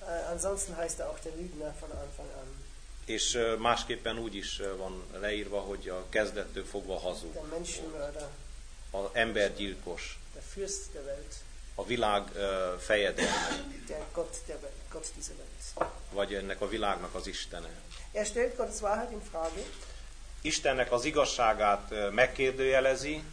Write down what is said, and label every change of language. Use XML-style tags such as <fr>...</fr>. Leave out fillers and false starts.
<de>Ansonsten heißt er auch der Lügner von Anfang an.</de> <hu>És másképpen úgy is van leírva, hogy a kezdettől fogva hazug.</hu> <de>Der Menschenmörder.</de> <hu>Az embergyilkos.</hu> <de>Der Fürst der Welt.</de> <hu>A világ fejedelme.</hu> <de>Der Gott der Welt, Gott dieser Welt.</de> <hu>Vagy ennek a világnak az istene.</hu> <de>Er stellt Gottes Wahrheit in Frage.</de> <hu>Istennek az igazságát megkérdőjelezi.</hu>